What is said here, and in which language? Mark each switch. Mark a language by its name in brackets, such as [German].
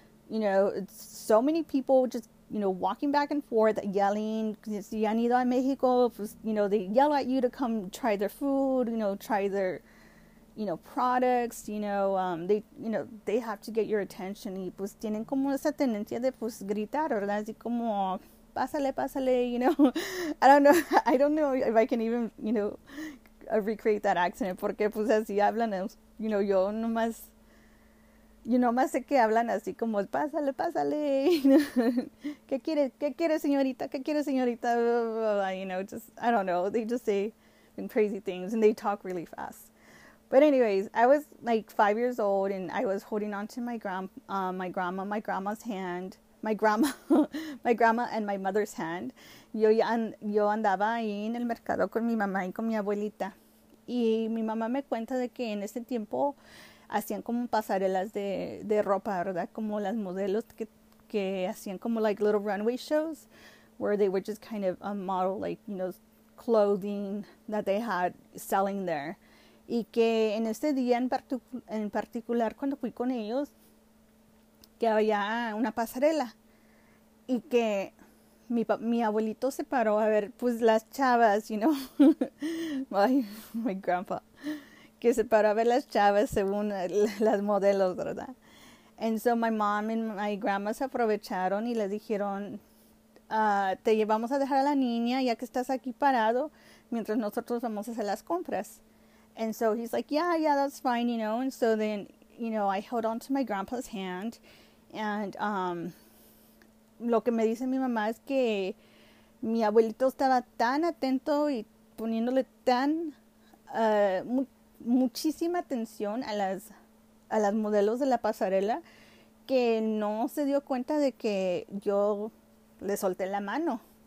[English] It's so many people just, walking back and forth, yelling. [Spanish] Si han ido a México, pues, [English] they yell at you to come try their food, try their, products, they have to get your attention. [Spanish] Y pues tienen como esa tendencia de pues gritar, ¿verdad? Así como, pásale, pásale, [English] I don't know if I can even, recreate that accent, [Spanish] porque pues así hablan, yo nomás sé que hablan así como, pásale, pásale, qué quiere señorita, qué quiere señorita, [English] I don't know, they just say crazy things, and they talk really fast. But anyways, I was like 5 years old, and I was holding on to my grandma's hand. My grandma and my mother's hand. [Spanish] Yo andaba ahí en el mercado con mi mamá y con mi abuelita. Y mi mamá me cuenta de que en ese tiempo hacían como pasarelas de ropa, ¿verdad? Como las modelos que hacían como [English] little runway shows, where they would just kind of model clothing that they had selling there. [Spanish] Y que en ese día en particular, cuando fui con ellos, que había una pasarela, y que mi abuelito se paró a ver pues las chavas, [English] my grandpa, [Spanish] que se paró a ver las chavas según las modelos, ¿verdad? [English] And so my mom and my grandma [Spanish] se aprovecharon y les dijeron, te llevamos a dejar a la niña ya que estás aquí parado mientras nosotros vamos a hacer las compras. [English] And so he's like, yeah, that's fine, and so then, I held on to my grandpa's hand. [Spanish] And lo que me dice mi mamá es que mi abuelito estaba tan atento y poniéndole tan mu muchísima atención a las modelos de la pasarela, que no se dio cuenta de que yo le solté la mano.